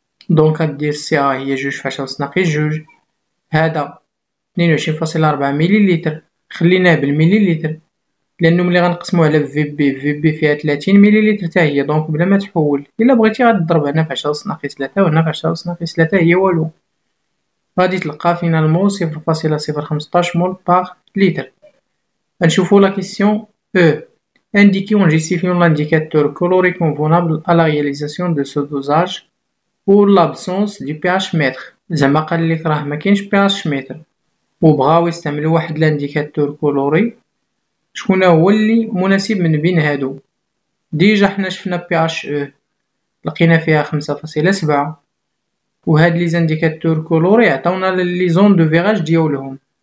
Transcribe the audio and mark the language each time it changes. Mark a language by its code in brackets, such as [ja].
[ar] دونك غدير سي ا هي 2.2 × 2، هذا 22.4 مليليتر، خليناه بالمليليتر لأنه ملي غنقسمو على في بي، في بي فيها 30 مليليتر تا هي، دونك بلا ما تحول. إلا بغيتي غدرب هنا في 10^3 وهنا في 10^3 هي والو، غادي تلقى فينالمو 0.015 مول بار ليتر. غنشوفو لا كيسيون أو. [fr] Indiquons en justifiant l'indicateur coloré convenable à la réalisation de ce dosage ou l'absence du pH mètre. [ar] زعما قال لك راه ما كاينش pH mètre وبغاو يستعملوا واحد الانديكاتور كولوري، شكون هو اللي مناسب من بين هادو؟ ديجا حنا شفنا pH E لقينا فيها 5.7، وهاد لي زانديكاتور كولوري عطاونا لي زون دو فيراج ديالهم.